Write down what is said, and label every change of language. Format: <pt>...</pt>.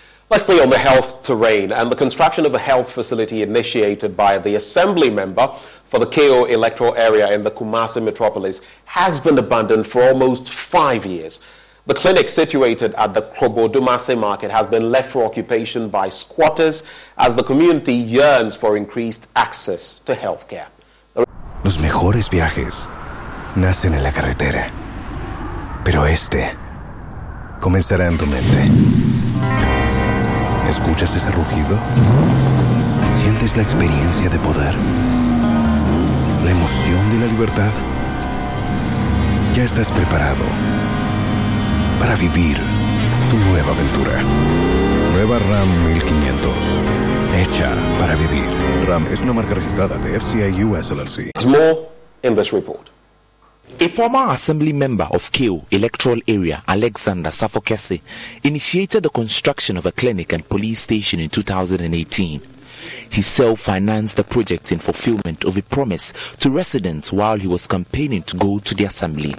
<en>Let's stay on the health terrain and the construction of a health facility initiated by the Assembly member for the KO electoral area in the Kumasi metropolis has been abandoned for almost 5 years. The clinic situated at the Krobo Dumase market has been left for occupation by squatters as the community yearns for increased access to health care.</en> <es>Los mejores viajes nacen en la carretera, pero este comenzará en tu mente. ¿Escuchas ese rugido? ¿Sientes la experiencia de poder? ¿La emoción de la libertad? Ya estás preparado para vivir tu nueva aventura. Nueva Ram 1500. Hecha para vivir. Ram es una marca registrada de FCA US LLC.</es> <en>There's more in this report. A former assembly member of KO electoral area, Alexander Safokese, initiated the construction of a clinic and police station in 2018. He self-financed the project in fulfillment of a promise to residents while he was campaigning to go to the assembly.</en>